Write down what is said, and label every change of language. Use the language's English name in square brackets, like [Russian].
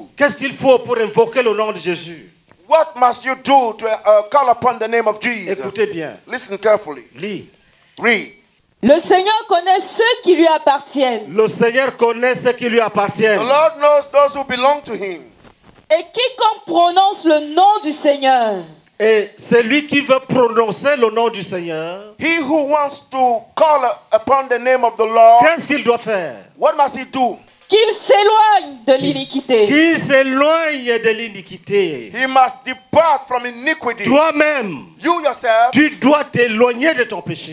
[French] Qu'est-ce qu'il faut pour invoquer le nom de Jésus? [English] What must you do to call upon the name of Jesus? [French] Écoutez bien. [English] Listen carefully. [French] Lis. [English] Read. [French] Le Seigneur connaît ceux qui lui appartiennent. Le Seigneur connaît ceux qui lui appartiennent. [English] The Lord knows those who belong to him. [French] Et quiconque prononce le nom du Seigneur. Et celui qui veut prononcer le nom du Seigneur. [English] He who wants to call upon the name of the Lord. [French] Qu'est-ce qu'il doit faire? [English] What must he do? [French] Qu'il s'éloigne de l'iniquité. Qu'il s'éloigne de l'iniquité. [English] He must depart from iniquity. [French] Toi-même, [English] you yourself, [French] tu dois t'éloigner de ton péché.